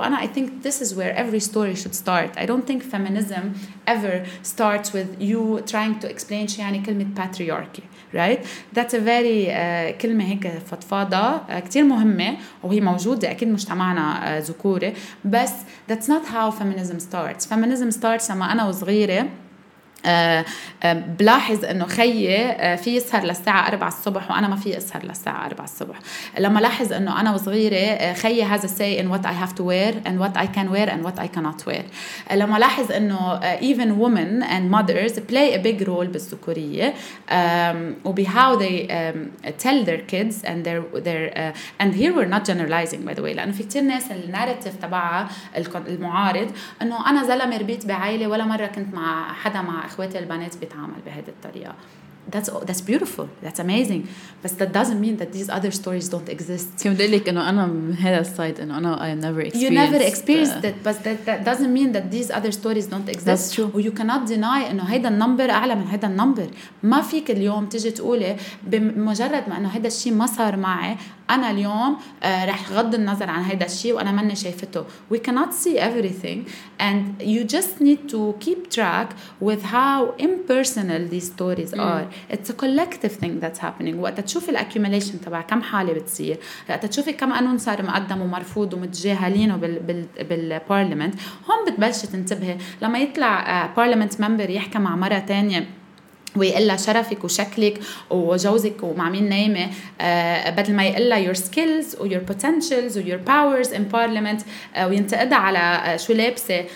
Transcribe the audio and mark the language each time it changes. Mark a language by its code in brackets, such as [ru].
[ar] وانا [en] I think this is where every story should start. I don't think feminism ever starts with you trying to explain [ar] يعني [en] كلمة patriarchy, right? That's a very [ar] كلمة هيك فضفاضة كتير مهمة وهي موجودة أكيد مجتمعنا ذكوري, بس [en] that's not how feminism starts. Feminism starts [ar] لما أنا وصغيرة بلاحظ انه خي في يسهر للساعة 4 الصبح [en] وانا ما في اسهر للساعة 4 الصبح, [ar] لما لاحظ انه انا وصغيرة خي [en] has a say in what I have to wear and what I can wear and what I cannot wear, [ar] لما لاحظ انه [en] even women and mothers play a big role [ar] بالذكورية وبي [en] how they tell their kids and and here we're not generalizing by the way, [ar] لانه في كتير ناس الناريتيف تبعها المعارض انه انا زلمة ربيت بعائلة ولا مرة كنت مع حدا مع اخواتي البنات بيتعامل بهذه الطريقة. [en] That's beautiful. That's amazing. But that doesn't mean that these other stories don't exist. [ar] كيف بدي لك إنه أنا هذا السايد إنه أنا [en] I never experienced. You never experienced it, but that doesn't mean that these other stories don't exist. That's true. Or you cannot deny [ar] إنه هيدا النمبر أعلى من هيدا النمبر. ما فيك اليوم تيجي تقولي بمجرد ما إنه هيدا الشيء ما صار معي أنا اليوم رح غض النظر عن هيدا الشيء وأنا ماني شايفته. [en] We cannot see everything, and you just need to keep track with how impersonal these stories are. It's a collective thing that's happening. [ar] وقت تشوفي الاكيوميليشن تبع كم حالة بتصير, وقت تشوفي كم قانون صار مقدم ومرفوض ومتجاهلينه بالبارلمنت, هون بتبلشي تنتبهي. لما يطلع بارلمنت ممبر يحكي مع مرة تانية ويقلها شرفك وشكلك وجوزك ومع مين نايمة, بدل ما يقلها [en] your skills or your potentials or your powers in parliament, [ar] وينتقدها على شو لابسة.